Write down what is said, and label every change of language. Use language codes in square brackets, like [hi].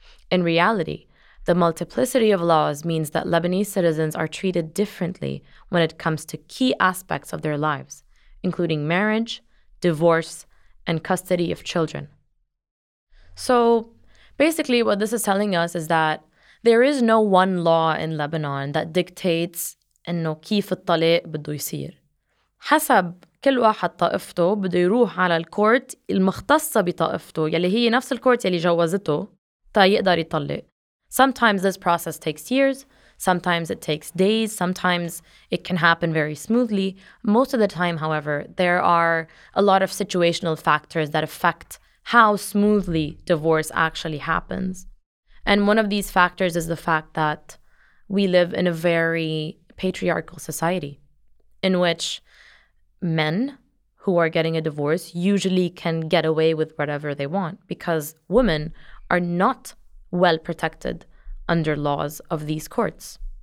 [en] In reality, the multiplicity of laws means that Lebanese citizens are treated differently when it comes to key aspects of their lives, including marriage, divorce, and custody of children. So basically what this is telling us is that there is no one law in Lebanon that dictates [ar] إنه كيف الطلاق بده يصير. حسب كل واحد طائفته بده يروح على الكورت المختصة بطائفته يلي هي نفس الكورت يلي جوزته تا يقدر يطلق. Sometimes this process takes years, sometimes it takes days, sometimes it can happen very smoothly. Most of the time, however, there are a lot of situational factors that affect how smoothly divorce actually happens. And one of these factors is the fact that we live in a very patriarchal society in which men who are getting a divorce usually can get away with whatever they want because women are not well protected under laws of these courts.